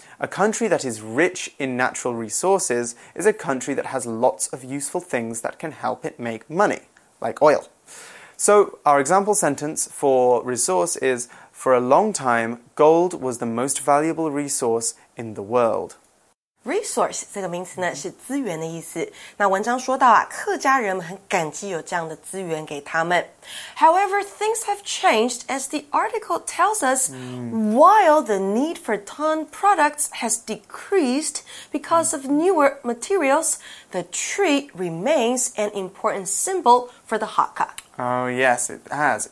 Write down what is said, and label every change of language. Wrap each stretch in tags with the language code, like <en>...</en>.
<en>A country that is rich in natural resources is a country that has lots of useful things that can help it make money, like oil. So, our example sentence for resource is, for a long time, gold was the most valuable resource in the world.</en> <zh>Resource 这个名词呢是资源的意思。那文章说到啊，客家人们很感激有这样的资源给他们。</zh> <en>However, things have changed as the article tells us, while the need for ton products has decreased because of newer materials, the tree remains an important symbol for the Hakka. Oh, yes, it has.</en>